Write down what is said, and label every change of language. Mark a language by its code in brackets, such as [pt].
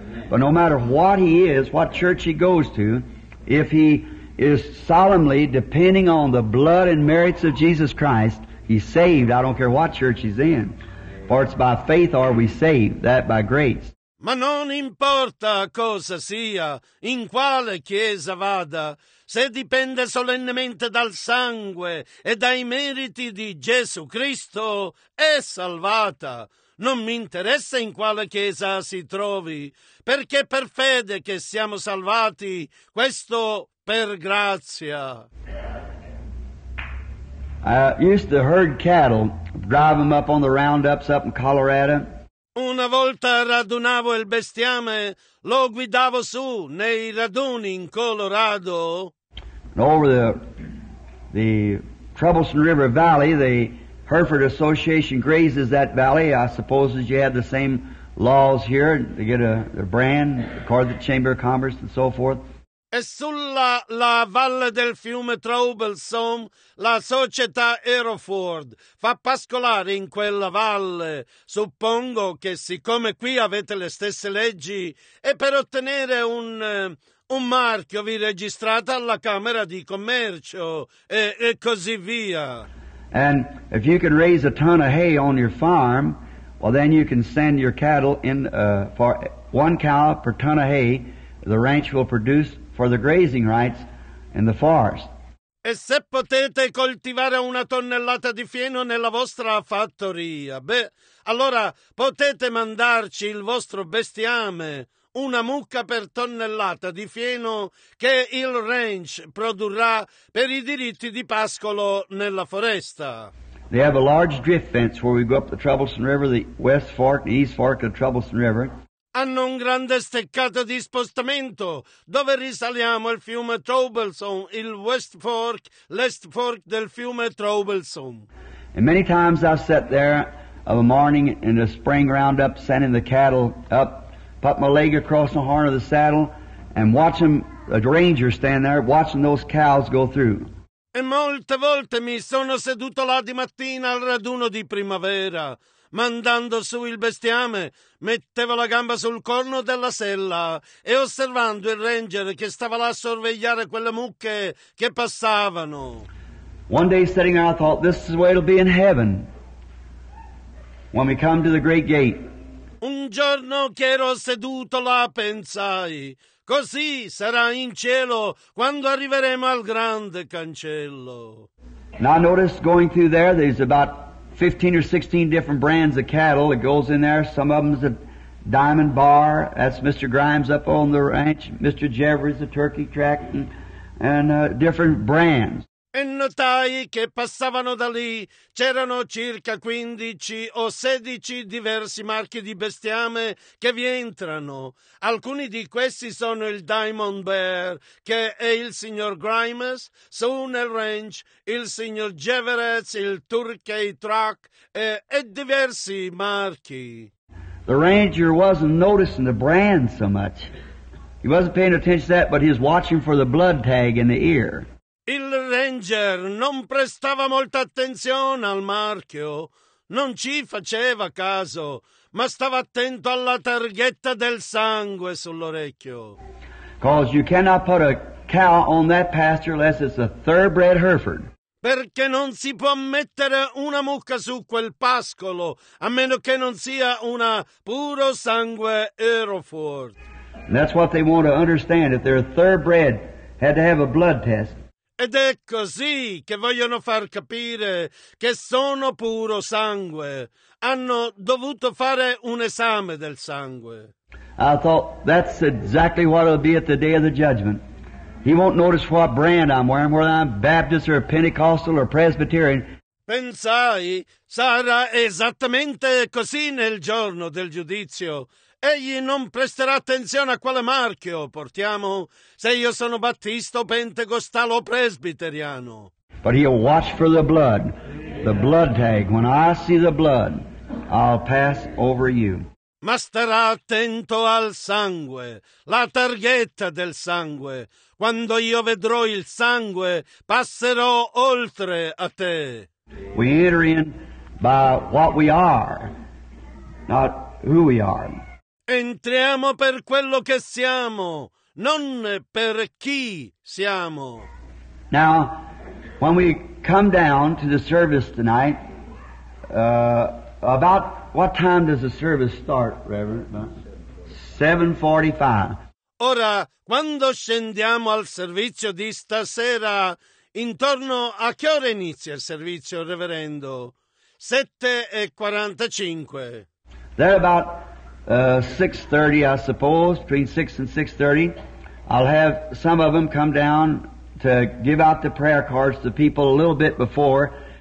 [en] But no matter what he is, what church he goes to, if he is solemnly depending on the blood and merits of Jesus Christ, he's saved. I don't care what church he's in. For it's by faith are we saved, that by grace. [it] Ma non importa cosa sia, in quale chiesa vada, se dipende solennemente dal sangue e dai meriti di Gesù Cristo, è salvata. Non mi interessa in quale chiesa si trovi, perché per fede che siamo salvati, questo per grazia. [en] I used to herd cattle, drive them up on the roundups up in Colorado. [it] Una volta radunavo il bestiame, lo guidavo su nei raduni in Colorado. [en] Over the Troublesome River Valley, the Hereford Association grazes that valley. I suppose you had the same laws here to get a brand, according to the Chamber of Commerce and so forth. [it] E sulla la valle del fiume Troublesome, la società Hereford fa pascolare in quella valle. Suppongo che siccome qui avete le stesse leggi, e per ottenere un marchio vi registrate alla Camera di Commercio e così via. [en] And if you can raise a ton of hay on your farm, well then you can send your cattle in for one cow per ton of hay, the ranch will produce for the grazing rights in the forest. [it] E se potete coltivare una tonnellata di fieno nella vostra fattoria, beh, allora potete mandarci il vostro bestiame, una mucca per tonnellata di fieno che il ranch produrrà per i diritti di pascolo nella foresta. [en] They have a large drift fence where we go up the Troublesome River, the west fork, the east fork of the Troublesome River. [it] Hanno un grande steccato di spostamento dove risaliamo il fiume Troublesome, il West Fork, l'East Fork del fiume Troublesome. [en] And many times I've sat there of a morning in the spring roundup, sending the cattle up, put my leg across the horn of the saddle, and watch them, a ranger stand there, watching those cows go through. [it] E molte volte mi sono seduto là di mattina al raduno di primavera, mandando su il bestiame, mettevo la gamba sul corno della sella e osservando il ranger che stava là a sorvegliare quelle mucche che passavano. [en] One day sitting there I thought, this is the way it'll be in heaven when we come to the great gate. [it] Un giorno che ero seduto là pensai, così sarà in cielo quando arriveremo al grande cancello. [en] And I noticed going through there, there's about 15 or 16 different brands of cattle that goes in there. Some of them's a Diamond Bar. That's Mr. Grimes up on the ranch. Mr. Jeffries, the turkey track, and different brands. [it] E notai che passavano da lì. C'erano circa 15 o 16 diversi marchi di bestiame che vi entrano. Alcuni di questi sono il Diamond Bear, che è il signor Grimes, su nel ranch, il signor Jeverez, il Turkey Truck, e diversi marchi. [en] The ranger wasn't noticing the brand so much. He wasn't paying attention to that, but he was watching for the blood tag in the ear. [it] Il ranger Ranger non prestava molta attenzione al marchio, non ci faceva caso, ma stava attento alla targhetta del sangue sull'orecchio. [en] Cause you cannot put a cow on that pasture unless it's a thoroughbred Hereford. [it] Perché non si può mettere una mucca su quel pascolo a meno che non sia una puro sangue Hereford. [en] That's what they want to understand. If they're a thoroughbred, had to have a blood test. [it] Ed è così che vogliono far capire che sono puro sangue. Hanno dovuto fare un esame del sangue. [en] I thought that's exactly what it'll be at the day of the judgment. He won't notice what brand I'm wearing, whether I'm Baptist or Pentecostal or Presbyterian. [it] Pensai, sarà esattamente così nel giorno del giudizio. Egli non presterà attenzione a quale marchio portiamo, se io sono Battista o Pentecostale o Presbiteriano. [en] But he'll watch for the blood tag. When I see the blood, I'll pass over you. [it] Ma starà attento al sangue, la targhetta del sangue. Quando io vedrò il sangue, passerò oltre a te. [en] We enter in by what we are, not who we are. [it] Entriamo per quello che siamo, non per chi siamo. [en] Now, when we come down to the service tonight, about what time does the service start, Reverend? 7:45. [it] Ora, quando scendiamo al servizio di stasera, intorno a che ora inizia il servizio, Reverendo? 7:45. [en] Then about 6:30, I suppose, between 6 and 6:30, I'll have some of them come down to give out the prayer cards to people a little bit before.